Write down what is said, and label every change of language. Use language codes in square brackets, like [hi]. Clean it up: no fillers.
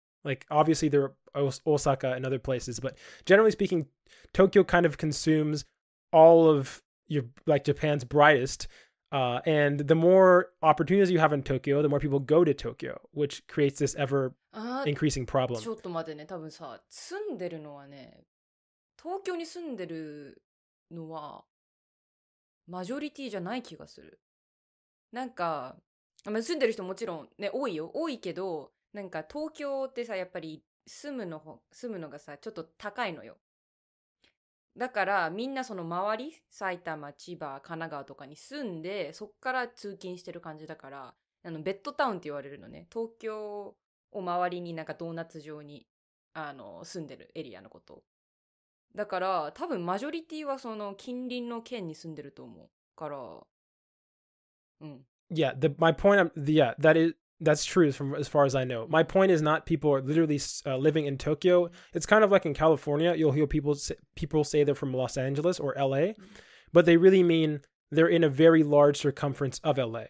[en] Like, obviously, there are Osaka and other places, but generally speaking, Tokyo kind of consumes all of your, like, Japan's brightest. And the more opportunities you have in Tokyo, the more people go to Tokyo, which creates this ever increasing problem. [ja] ちょっと待ってね、多分さ、住んでるのはね、東京に住んでるのは。マジョリティじゃない気がする。なんか、住んでる人もちろんね、多いよ。多いけど、なんか東京ってさ、やっぱり住むのがさ、ちょっと高いのよ。だから、みんなその周り、埼玉、千葉、神奈川とかに住んで、そっから通勤してる感じだから、ベッドタウンって言われるのね。東京を周りになんかドーナツ状に住んでるエリアのこと。だから多分マジョリティはその近隣の県に住んでると思うから、うん。 [en] Yeah, that's true from as far as I know. My point is not people are literally living in Tokyo. It's kind of like in California, you'll hear people say they're from Los Angeles or LA, but they really mean they're in a very large circumference of LA.